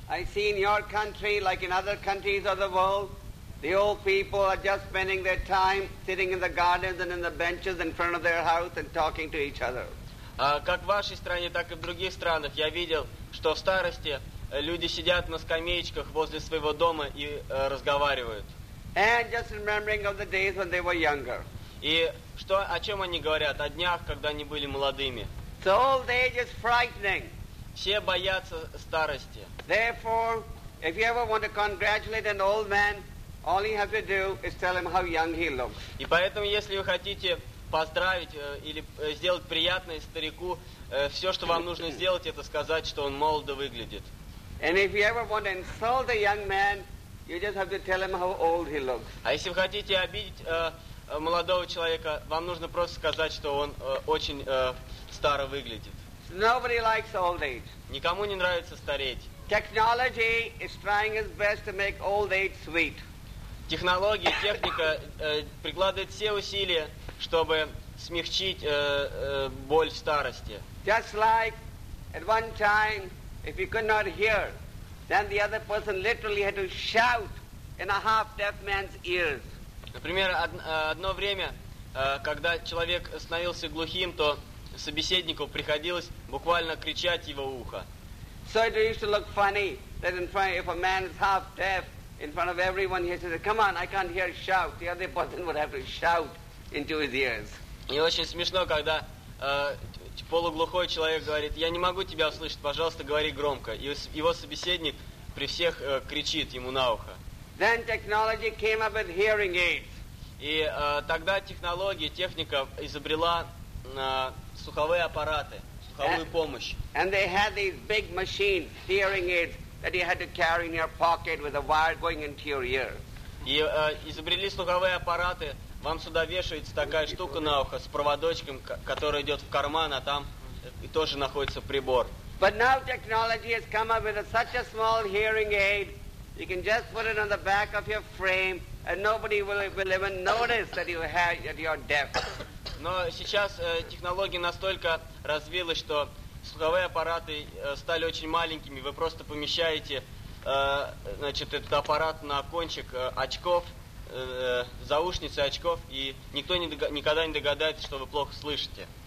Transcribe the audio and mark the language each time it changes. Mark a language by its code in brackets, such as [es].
[en] I see in your country, like in other countries of the world, the old people are just spending their time sitting in the gardens and in the benches in front of their house and talking to each other. [ru] Как в вашей стране, так и в других странах я видел, что в старости люди сидят на скамеечках возле своего дома и разговаривают. [en] And just remembering of the days when they were younger. [ru] И что, о чем они говорят? О днях, когда они были молодыми. [en] So old age is frightening. [ru] Все боятся старости. [en] Therefore, if you ever want to congratulate an old man, all you have to do is tell him how young he looks. [ru] И поэтому, если вы хотите поздравить или сделать приятное старику, все, что вам нужно сделать, это сказать, что он молодо выглядит. [en] And if you ever want to insult a young man, you just have to tell him how old he looks. [ru] А если вы хотите обидеть молодого человека, вам нужно просто сказать, что он очень старо выглядит. [en] Nobody likes old age. [ru] Никому не нравится стареть. [en] Technology is trying its best to make old age sweet. [ru] Технология, техника прикладывает все усилия, чтобы смягчить боль старости. [en] Just like at one time, if you could not hear, then the other person literally had to shout in a half-deaf man's ears. [ru] Например, одно время, когда человек становился глухим, то собеседнику приходилось буквально кричать его ухо. [en] So it used to look funny that in front, if a man is half deaf, in front of everyone he says, "Come on, I can't hear, shout." The other person would have to shout into his ears. [ru] И очень смешно, когда полуглухой человек говорит: "Я не могу тебя услышать, пожалуйста, говори громко." И его собеседник при всех кричит ему на ухо. [en] Then technology came up with hearing aids. [ru] И тогда технология, техника изобрела слуховые аппараты, слуховую помощь. [en] And they had these big machines, hearing aids, that you had to carry in your pocket with a wire going into your ear. [ru] И изобрели слуховые аппараты, вам сюда вешается такая штука на ухо с проводочком, которая идет в карман, а там тоже находится прибор. [en] But now technology has come up with such a small hearing aid, you can just put it on the back of your frame, and nobody will even notice that you have that you're deaf. [ru] Но сейчас технология настолько развилась, что слуховые аппараты стали очень маленькими. Вы просто помещаете этот аппарат на кончик очков, заушницы очков, и никто никогда не догадается, что вы плохо слышите.